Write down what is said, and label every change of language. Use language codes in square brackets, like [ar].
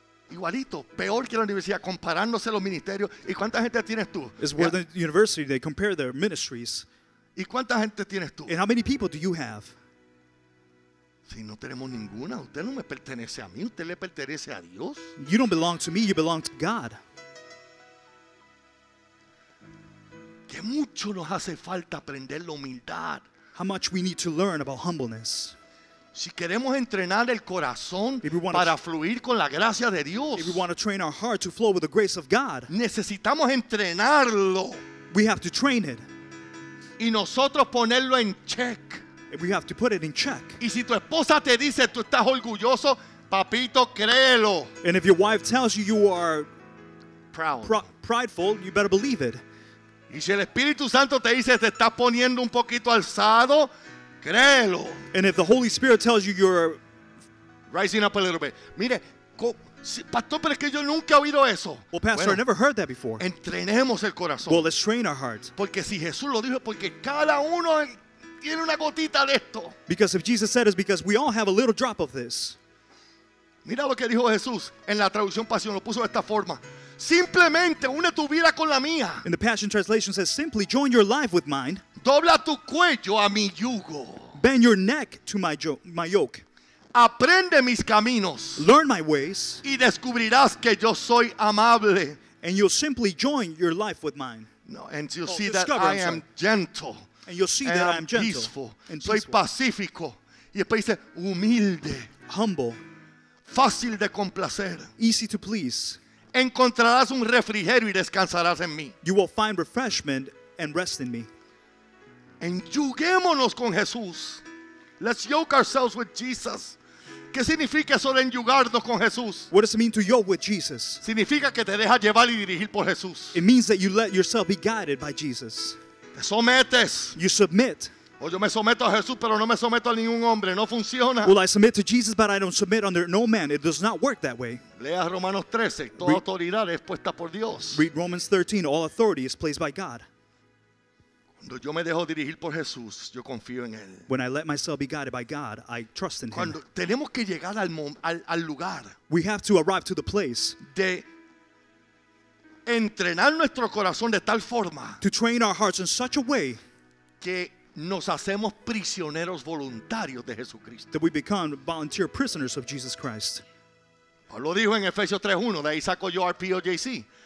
[es] Igualito, peor que la universidad, comparándose los ministerios. ¿Y cuánta gente tienes tú? [en] It's worse than university. They compare their ministries. [es] ¿Y cuánta gente tienes tú? [en] And how many people do you have? [es] Si no tenemos ninguna, usted no me pertenece a mí, usted le pertenece a Dios. [en] You don't belong to me, you belong to God. [es] Qué mucho nos hace falta aprender la humildad. [en] How much we need to learn about humbleness. [es] Si queremos entrenar el corazón para fluir con la gracia de Dios, [en] if we want to train our heart to flow with the grace of God, [es] necesitamos entrenarlo. [en] We have to train it. [es] Y nosotros ponerlo en check. [en] We have to put it in check. [es] Y si tu esposa te dice tú estás orgulloso, papito, créelo. [en] And if your wife tells you you are proud, prideful, you better believe it. [es] Y si el Espíritu Santo te dice te estás poniendo un poquito alzado, créelo. [en] And if the Holy Spirit tells you you're rising up a little bit. [es] Mire, pastor, pero es que yo nunca he oído eso. [en] Well, pastor, [es] bueno, [en] I never heard that before. [es] Entrenemos el corazón. [en] Well, let's train our hearts. [es] Porque si Jesús lo dijo, porque cada uno tiene una gotita de esto. [en] Because if Jesus said it, it's because we all have a little drop of this. [es] Mira lo que dijo Jesús en la traducción Pasión, lo puso de esta forma. Simplemente une tu vida con la mía. [en] In the Passion Translation says, simply join your life with mine. [es] Dobla tu cuello a mi yugo. [en] Bend your neck to my yoke. [es] Aprende mis caminos. [en] Learn my ways. [es] Y descubrirás que yo soy amable. [en] And you'll simply join your life with mine. No, and you'll see that I am gentle. And you'll see that I'm gentle. Peaceful. And [es] soy [en] peaceful. [es] Pacífico. Y después dice, humilde. [en] Humble. [es] Fácil de complacer. [en] Easy to please. [es] Encontrarás un refrigerio y descansarás en mí. [en] You will find refreshment and rest in me. [es] Enyuguémonos con Jesús. [en] Let's yoke ourselves with Jesus. [es] ¿Qué significa eso de enyugarnos con Jesús? [en] What does it mean to yoke with Jesus? [es] Significa que te dejas llevar y dirigir por Jesús. [en] It means that you let yourself be guided by Jesus. [es] Te sometes. [en] You submit. [es] O yo me someto a Jesús, pero no me someto a ningún hombre. No funciona. [en] Well, I submit to Jesus, but I don't submit under no man. It does not work that way. [es] Lea Romanos 13. Toda autoridad es puesta por Dios. [en] Read Romans 13. All authority is placed by God. [es] Cuando yo me dejo dirigir por Jesús, yo confío en Él. [en] When I let myself be guided by God, I trust in [es] Cuando [en] Him. [es] Tenemos que llegar al lugar. [en] We have to arrive to the place. [es] De entrenar nuestro corazón de tal forma. [en] To train our hearts in such a way. [es] Que nos hacemos prisioneros voluntarios de Jesucristo. [en] That we become volunteer prisoners of Jesus Christ. [es] Pablo dijo en Efesios 3:1, de ahí saco yo R-P-O-J-C.